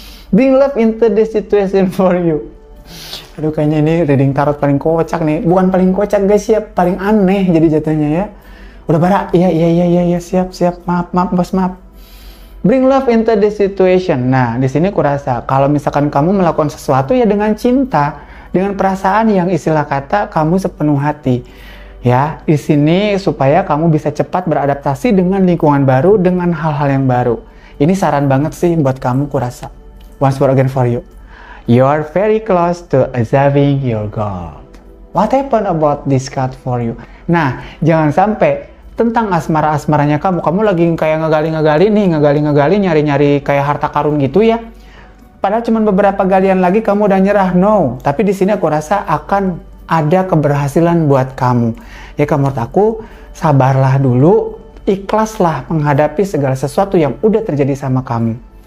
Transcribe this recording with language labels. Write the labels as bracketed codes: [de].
[en] Bring love into the situation for you. [id] Aduh, kayaknya ini reading tarot paling kocak nih. Bukan paling kocak guys ya, paling aneh jadi jatuhnya ya. Udah Bara, iya siap. Maaf bos, maaf. [en] Bring love into the situation. [id] Nah, di sini kurasa kalau misalkan kamu melakukan sesuatu ya dengan cinta, dengan perasaan yang istilah kata kamu sepenuh hati. Ya, di sini supaya kamu bisa cepat beradaptasi dengan lingkungan baru, dengan hal-hal yang baru. Ini saran banget sih buat kamu kurasa. [en] Once more again for you. You are very close to achieving your goal. What happened about this card for you? [id] Nah, jangan sampai tentang asmara-asmaranya kamu. Kamu lagi kayak ngegali-ngegali, nyari-nyari kayak harta karun gitu ya. Padahal cuma beberapa galian lagi kamu udah nyerah. No. Tapi di sini aku rasa akan ada keberhasilan buat kamu. Ya, kamu, menurut aku, sabarlah dulu. Ikhlaslah menghadapi segala sesuatu yang udah terjadi sama kamu.